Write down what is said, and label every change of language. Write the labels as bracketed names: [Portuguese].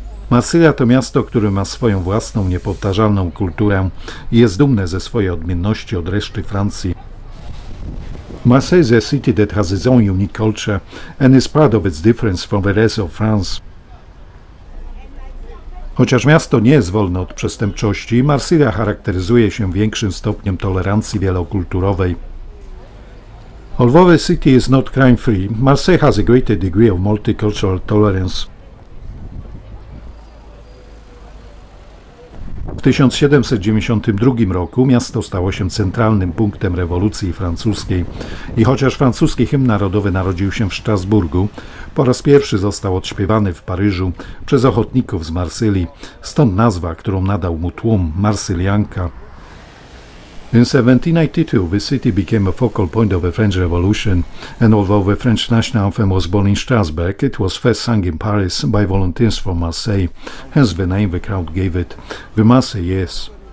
[Polish] Marsylia to miasto, które ma swoją własną, niepowtarzalną kulturę i jest dumne ze swojej odmienności od reszty Francji. [English] Marseille is a city that has its own unique culture and is proud of its difference from the rest of France. [Polish] Chociaż miasto nie jest wolne od przestępczości, Marsylia charakteryzuje się większym stopniem tolerancji wielokulturowej. [English] Although the city is not crime-free, Marseille has a greater degree of multicultural tolerance. [Polish] W 1792 roku miasto stało się centralnym punktem rewolucji francuskiej i chociaż francuski hymn narodowy narodził się w Strasburgu, po raz pierwszy został odśpiewany w Paryżu przez ochotników z Marsylii, stąd nazwa, którą nadał mu tłum Marsylianka. [English] In 1792, the city became a focal point of the French Revolution, and although the French national anthem was born in Strasbourg, it was first sung in Paris by volunteers from Marseille, hence the name the crowd gave it, the Marseillaise.